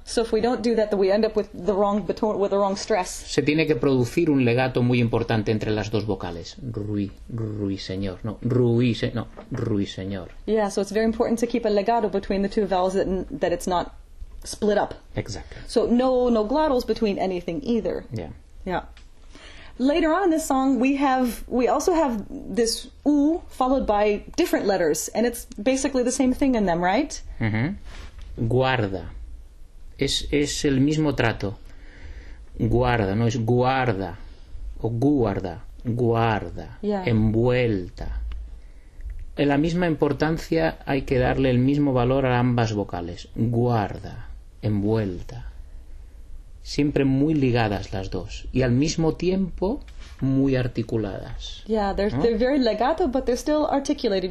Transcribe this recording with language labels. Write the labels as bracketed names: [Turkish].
[English] So if we don't do that, then we end up with the wrong baton, with the wrong stress. [Spanish] Se tiene que producir un legato muy importante entre las dos vocales. Ruiseñor. [English] Yeah, so it's very important to keep a legato between the two vowels that it's not split up. Exactly. So no glottals between anything either. Yeah. Yeah. Later on in this song, we also have this U followed by different letters, and it's basically the same thing in them, right? [Spanish] Mm-hmm. Guarda. Es el mismo trato. Guarda, no es guarda. O guarda. Guarda. [English] Yeah. [Spanish] Envuelta. En la misma importancia hay que darle el mismo valor a ambas vocales. Guarda. Envuelta. Siempre muy ligadas las dos y al mismo tiempo muy articuladas. [English] Yeah, they're very legato, but they're still articulated.